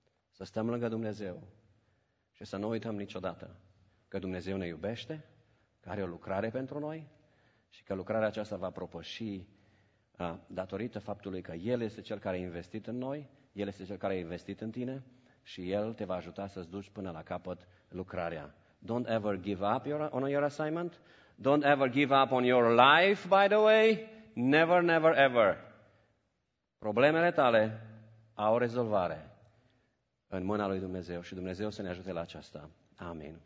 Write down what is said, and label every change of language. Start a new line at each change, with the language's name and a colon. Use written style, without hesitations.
Romanian: Să stăm lângă Dumnezeu și să nu uităm niciodată că Dumnezeu ne iubește, că are o lucrare pentru noi și că lucrarea aceasta va propăși datorită faptului că El este Cel care a investit în noi, El este Cel care a investit în tine și El te va ajuta să-ți duci până la capăt lucrarea.
English: Don't ever give up on your assignment. Don't ever give up on your life, by the way. Never, never, ever.
Romanian: Problemele tale au rezolvare în mâna lui Dumnezeu și Dumnezeu să ne ajute la aceasta. Amin.